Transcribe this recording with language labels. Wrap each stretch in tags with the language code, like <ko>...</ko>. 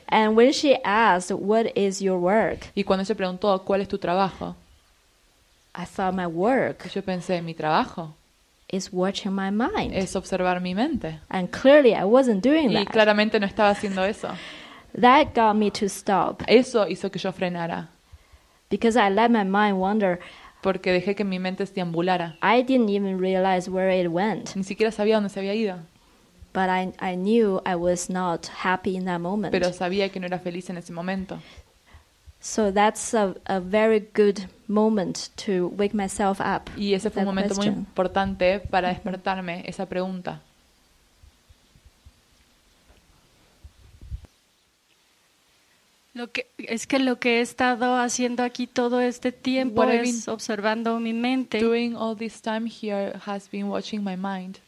<en>And when she asked, "What is your work?"</en> <es>Y cuando se preguntó cuál es tu trabajo,</es> <en>I thought my work.</en> <es>Yo pensé mi trabajo.</es> <en>Is watching my mind.</en> <es>Es observar mi mente.</es> <en>And clearly, I wasn't doing that.</en> <es>Y claramente no estaba haciendo eso.</es> <en>That got me to stop.</en> <es>Eso hizo que yo frenara.</es> <en>Because I let my mind wander.</en> <es>Porque dejé que mi mente se deambulara.</es> <en>I didn't even realize where it went.</en> <es>Ni siquiera sabía dónde se había ido.</es> <en>But I knew I was not happy in that moment.</en> <es>Pero sabía que no era feliz en ese momento.</es> <en>So that's a very good moment to wake myself up.</en> <es>Y ese fue un momento muy importante para despertarme esa pregunta. Lo que es que lo que he estado haciendo aquí todo este tiempo es observando mi mente.</es> <en>Doing all this time here has been watching my mind.</en>